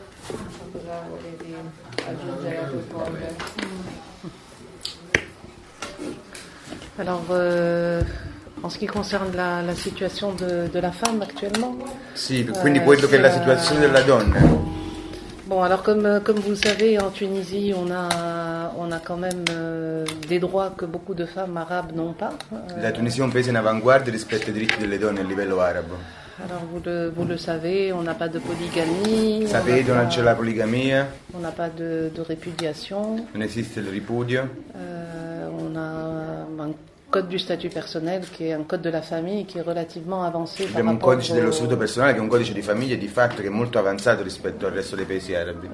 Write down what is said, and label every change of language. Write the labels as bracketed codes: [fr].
[it] Non so cosa volevi aggiungere a tuo cuore. [fr] Allora, en ce qui concerne la situation de la femme actuellement. [it] Sì, quindi quello che è la situazione della donna. [fr] Bon, alors comme vous le savez, en Tunisie, on a quand même des droits que beaucoup de femmes arabes n'ont pas. La Tunisie est un pays en avant-garde [it] rispetto ai diritti delle donne a livello arabo. [fr] Alors vous le savez, on n'a pas de polygamie. [it] Sapete, non c'è la poligamia. [fr] On n'a pas de répudiation. [it] Non esiste il ripudio. [fr] On a un code du statut personnel qui est un code de la famille qui est relativement avancé. [it] Abbiamo un codice dello statuto personale che è un codice di famiglia di fatto che è molto avanzato rispetto al resto dei paesi arabi.